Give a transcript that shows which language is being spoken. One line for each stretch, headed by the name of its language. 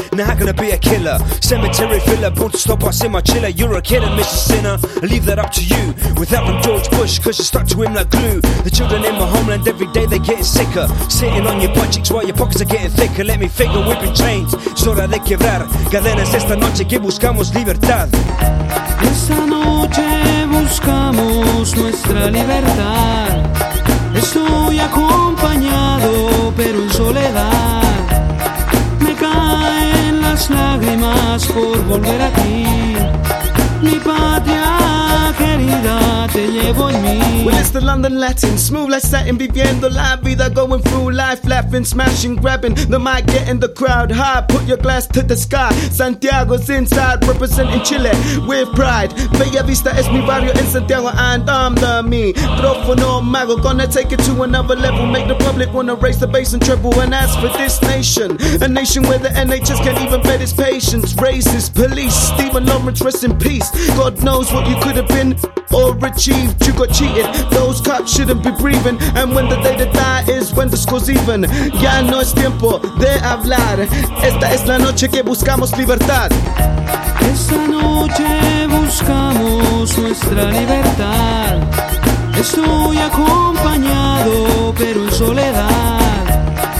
English: Now, how can I be a killer? Cemetery filler, born to stop us in my chiller. You're a killer, Mr. Sinner. I leave that up to you. Without them, George Bush, cause you stuck to him like glue. The children in my homeland, every day they're getting sicker. Sitting on your butt cheeks while your pockets are getting thicker. Let me figure, we've been chained.
Spanish: Es hora de quebrar. Cadenas esta noche que buscamos libertad. Esta noche buscamos nuestra libertad. Estoy acompañado, pero en soledad. Me caen las lágrimas por volver a ti. Mi patria querida, te llevo en mí.
English: Well, it's the London Latin, smooth like satin,
Spanish: viviendo la vida,
English: going through life, laughing, smashing, grabbing the mic, getting the crowd high. Put your glass to the sky. Santiago's inside, representing Chile with pride.
Spanish: Bella Vista es mi barrio en Santiago,
English: and I'm the me. Trófono mago, gonna take it to another level. Make the public wanna raise the bass and treble. And as for this nation, a nation where the NHS can't even bed its patients. Racist police, Stephen Lawrence, rest in peace. God knows what you could have been or achieved. You got cheated. Those cops shouldn't be breathing. And when the day to die is when the score's even.
Spanish: Ya no es tiempo de hablar. Esta es la noche que buscamos libertad. Esta noche buscamos nuestra libertad. Estoy acompañado, pero en soledad.